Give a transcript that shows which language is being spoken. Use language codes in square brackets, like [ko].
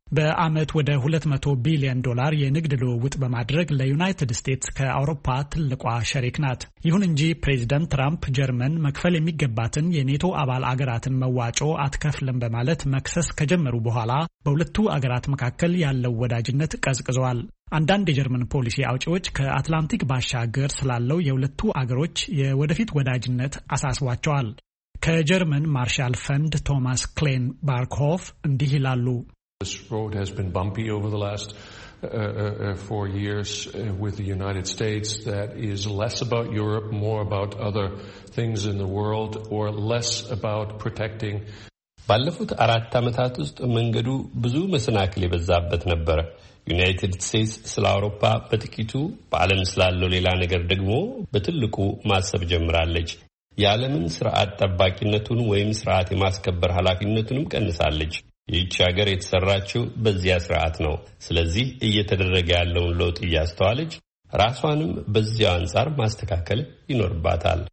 [am] በአመት ወደ 200 ቢሊዮን ዶላር የንግድ ልውውጥ በማድረግ ለዩናይትድ ስቴትስ ከአውሮፓ ትልቋ ሸሪክ ናት። ይሁን እንጂ ፕሬዚደንት ትራምፕ ጀርመን መክፈል የሚገባትን የኔቶ አባል አገራትን መዋጮ አትከፍልም በማለት መክሰስ ከጀመሩ በኋላ በሁለቱ አገራት መካከል ያለው ወዳጅነት ቀዝቅዟል። አንዳንድ የጀርመን ፖሊሲ አውጪዎች ከአትላንቲክ ባሻገር ስላለው የሁለቱ አገሮች የወደፊት ወዳጅነት አሳስቧቸዋል። ከጀርመን ማርሻል ፈንድ ቶማስ ክሌን ባርክሆፍ እንዲህ ይላሉ። [en] This road has been bumpy over the last 4 years with the United States. That is less about Europe, more about other things in the world, or less about protecting. [am] ባለፉት አራት አመታት ውስጥ መንገዱ ብዙ መሰናክል የበዛበት ነበር። ዩናይትድ ስቴትስ ስለ አውሮፓ በጥቂቱ በዓለም ስላለው ሌላ ነገር ደግሞ በትልቁ ማሰብ ጀምራለች። የዓለምን ፍርሃት ተባቂነቱን ወይም ፍርሃት የማስከበር ኃላፊነቱንም ቀንሳለች። ይህች ሀገር የተሰራችው በዚያ ፍርሃት ነው። ስለዚህ እየተደረገ ያለውን ለውጥ ያስተዋለች ራስዋንም በዚያ አንጻር ማስተካከል ይኖርባታል።